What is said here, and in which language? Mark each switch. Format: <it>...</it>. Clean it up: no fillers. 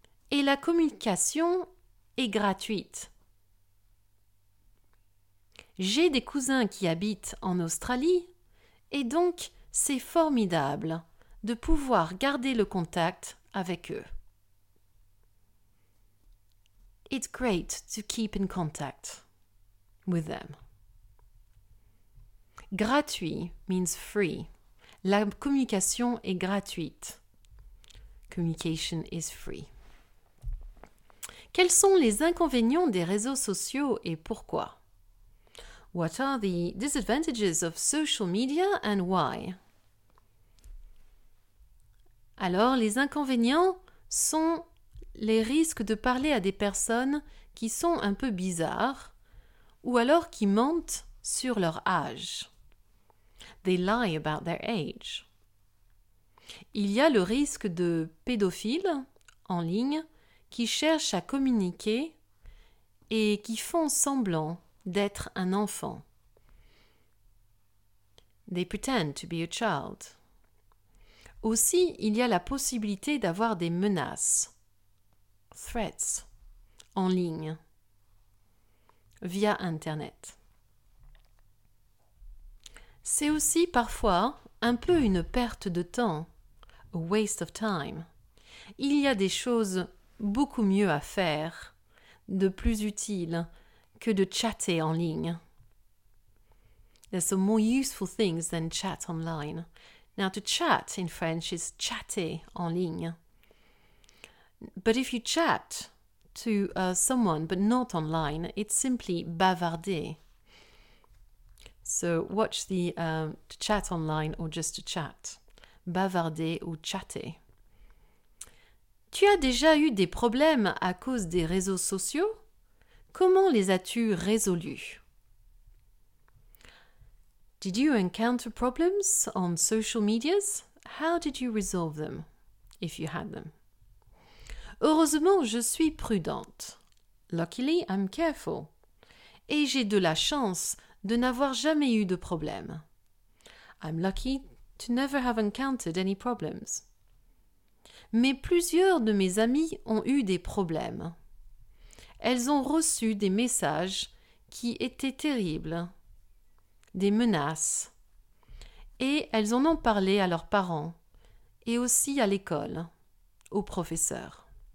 <fr>Et la communication est gratuite. J'ai des cousins qui habitent en Australie et donc c'est formidable de pouvoir garder le contact avec eux.</fr> <en>It's great to keep in contact with them. Gratuit means free.</en> <fr>La communication est gratuite.</fr> <en>Communication is free.</en> <fr>Quels sont les inconvénients des réseaux sociaux et pourquoi?</fr> <en>What are the disadvantages of social media and why?</en> <fr>Alors, les inconvénients sont les risques de parler à des personnes qui sont un peu bizarres ou alors qui mentent sur leur âge.</fr> <en>They lie about their age.</en> <fr>Il y a le risque de pédophiles en ligne qui cherchent à communiquer et qui font semblant d'être un enfant.</fr> <en>They pretend to be a child.</en> <fr>Aussi, il y a la possibilité d'avoir des menaces, threats, en ligne, via Internet. C'est aussi parfois un peu une perte de temps,</fr> <en>a waste of time.</en> <fr>Il y a des choses beaucoup mieux à faire, de plus utiles, que de chatter en ligne.</fr> <en>There's some more useful things than chat online. Now, to chat in French is chatter en ligne. But if you chat to someone but not online, it's simply bavarder. So watch the to chat online or just to chat.</en> <fr>Bavarder ou chatter. Tu as déjà eu des problèmes à cause des réseaux sociaux? Comment les as-tu résolus?</fr> <en>Did you encounter problems on social medias? How did you resolve them, if you had them?</en> <fr>Heureusement, je suis prudente.</fr> <en>Luckily, I'm careful.</en> <fr>Et j'ai de la chance de n'avoir jamais eu de problème.</fr> <en>I'm lucky to never have encountered any problems.</en> <fr>Mais plusieurs de mes amies ont eu des problèmes. Elles ont reçu des messages qui étaient terribles, des menaces. Et elles en ont parlé à leurs parents et aussi à l'école, aux professeurs.</fr>